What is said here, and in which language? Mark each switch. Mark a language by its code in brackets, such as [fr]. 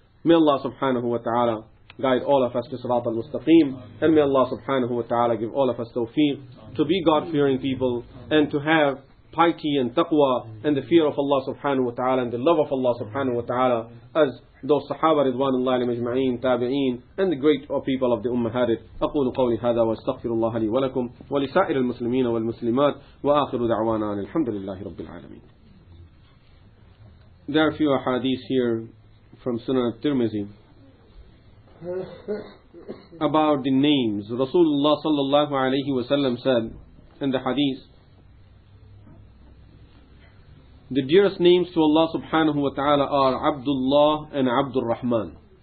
[en] May Allah subhanahu wa ta'ala guide all of us to Sirat al-Mustaqim. And may Allah subhanahu wa ta'ala give all of us tawfiq to be God-fearing people and to have piety and taqwa and the fear of Allah subhanahu wa ta'ala and the love of Allah subhanahu wa ta'ala as those sahaba ridwanullahi alayhim ajma'in, tabi'in, and the great people of the ummah had it. [ar] أقول قولي هذا واستغفر الله لي ولكم ولسائر المسلمين والمسلمات وآخر دعوانا أن الحمد لله رب العالمين. [en] There are a few hadiths here from Sunan al-Tirmizi about the names. Rasulullah sallallahu alayhi wa sallam said in the hadith, the dearest names to Allah subhanahu wa ta'ala are Abdullah and Abdul Rahman.